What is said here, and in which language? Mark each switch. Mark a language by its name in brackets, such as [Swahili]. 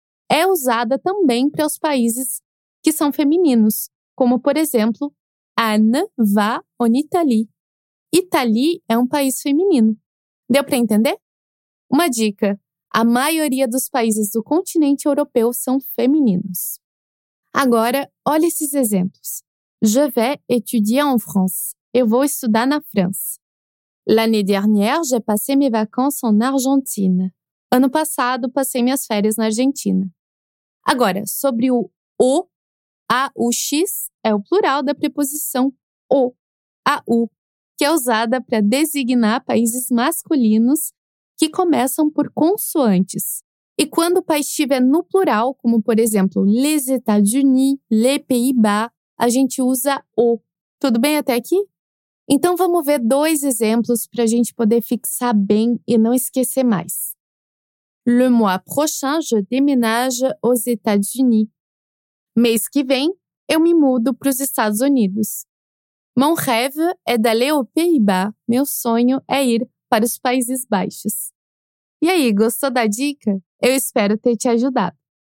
[Portuguese] É usada também para os países que são femininos, como, por exemplo, [French] Anne va en Italie. [Portuguese] Italie é um país feminino. Deu para entender? Uma dica, a maioria dos países do continente europeu são femininos. Agora, olha esses exemplos. [French] Je vais étudier en France. [Portuguese] Eu vou estudar na França. [French] L'année dernière, j'ai passé mes vacances en Argentine. [Portuguese] Ano passado, passei minhas férias na Argentina. Agora, sobre o A, U, X é o plural da preposição O, A, U, que é usada para designar países masculinos que começam por consoantes. E quando o país estiver no plural, como por exemplo, les États-Unis, les Pays-Bas, a gente usa O. Tudo bem até aqui? Então vamos ver 2 exemplos para a gente poder fixar bem e não esquecer mais. [French] Le mois prochain, je déménage aux États-Unis. [Portuguese] Mês que vem, eu me mudo para os Estados Unidos. [French] Mon rêve é d'aller aux Pays-Bas. [Portuguese] Meu sonho é ir para os Países Baixos. E aí, gostou da dica? Eu espero ter te ajudado.